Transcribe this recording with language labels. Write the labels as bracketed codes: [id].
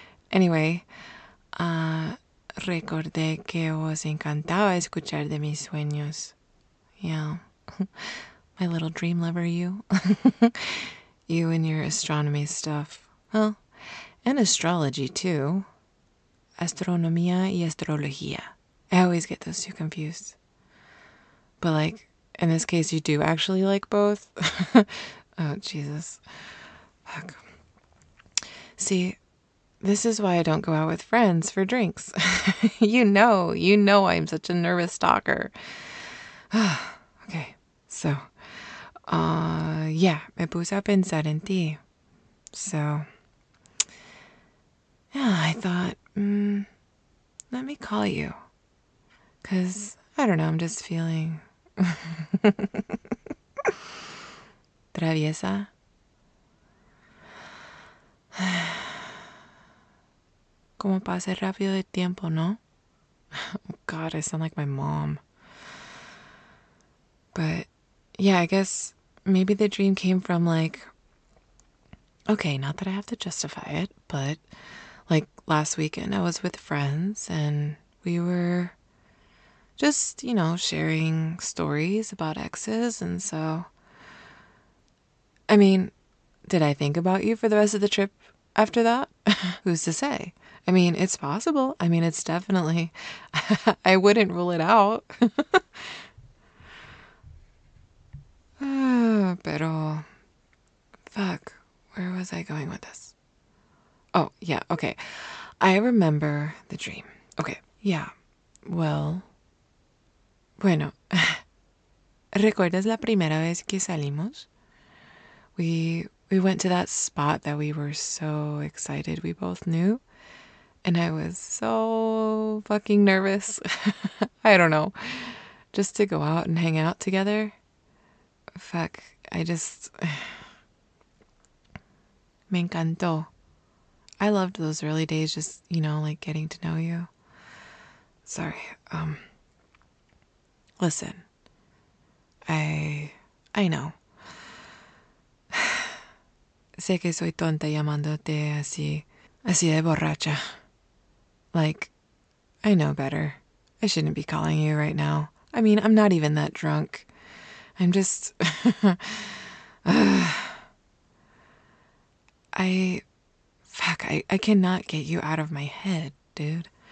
[es] Anyway, recordé que os encantaba escuchar de mis sueños. [en] Yeah. My little dream lover, you. You and your astronomy stuff. Well, and astrology, too. [es] Astronomía y astrología. [en] I always get those two confused. But, like, in this case, you do actually like both. Oh, Jesus. Fuck. See, this is why I don't go out with friends for drinks. You know, I'm such a nervous stalker. Okay, so. [es] Yeah, me puse a pensar en ti. So. [en] Yeah, I thought, let me call you. 'Cause I don't know, I'm just feeling traviesa. [es] Como pasa rápido el tiempo, ¿no? [en] Oh God, I sound like my mom. But yeah, I guess maybe the dream came from like, okay, not that I have to justify it, but like last weekend, I was with friends and we were just, sharing stories about exes. And so, I mean, did I think about you for the rest of the trip after that? Who's to say? I mean, it's possible. I mean, it's definitely, I wouldn't rule it out. pero, fuck, where was I going with this? Oh, yeah, okay. I remember the dream. Okay, yeah. Well, bueno. [es] ¿Recuerdas la primera vez que salimos? [en] We went to that spot that we were so excited we both knew. And I was so fucking nervous. I don't know. Just to go out and hang out together. Fuck, I just. [es] Me encantó. [en] I loved those early days, just, like getting to know you. Sorry. Listen. I know. [es] Sé que soy tonta llamándote así, así de borracha. [en] Like, I know better. I shouldn't be calling you right now. I mean, I'm not even that drunk. I'm just. Fuck, I cannot get you out of my head, dude.